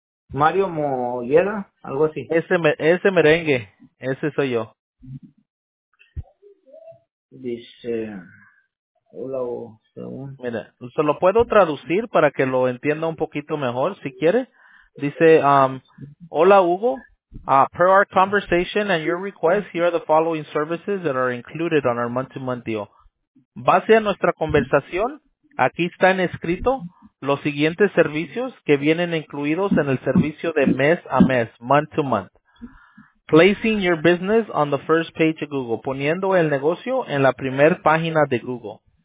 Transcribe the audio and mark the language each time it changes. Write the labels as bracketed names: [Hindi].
[Spanish] Mario Mollera, algo así. Ese merengue, ese soy yo. Dice, hola, según. Mira, se lo puedo traducir para que lo entienda un poquito mejor, si quiere. Dice, hola [English] Hugo, per our conversation and your request, here are the following services that are included on our month-to-month deal. [Spanish] Base a nuestra conversación, aquí está en escrito los siguientes servicios que vienen incluidos en el servicio de mes a mes, month-to-month. [English] Placing your business on the first page of Google, [Spanish] poniendo el negocio en la primera página de Google.